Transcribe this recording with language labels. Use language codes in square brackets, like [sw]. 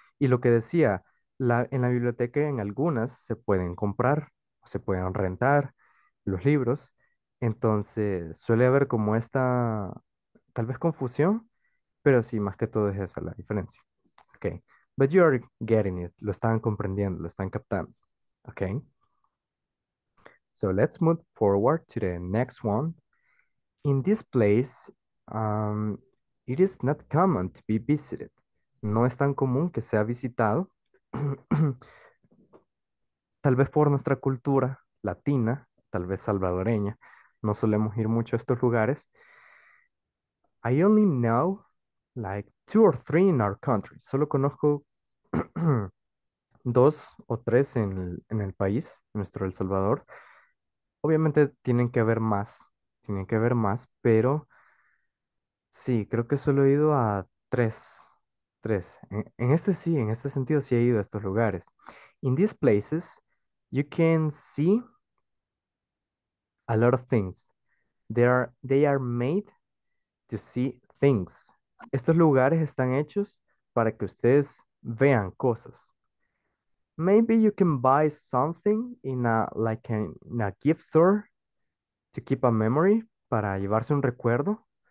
[es] Y lo que decía, en la biblioteca en algunas se pueden comprar, se pueden rentar los libros. Entonces suele haber como esta, tal vez confusión, pero sí, más que todo es esa la diferencia. [en] Ok, but you are getting it, [es] lo están comprendiendo, lo están captando. [en] Ok, so let's move forward to the next one. In this place, it is not common to be visited. [es] No es tan común que sea visitado. Tal vez por nuestra cultura latina, tal vez salvadoreña, no solemos ir mucho a estos lugares. [en] I only know like 2 or 3 in our country. [es] Solo conozco 2 o 3 en el país, nuestro El Salvador. Obviamente tienen que haber más. Tienen que ver más, pero sí, creo que solo he ido a 3. En este sentido sí he ido a estos lugares. [en] In these places, you can see a lot of things. They are made to see things. [es] Estos lugares están hechos para que ustedes vean cosas. [en] Maybe you can buy something in a gift store to keep a memory, [es] para llevarse un recuerdo.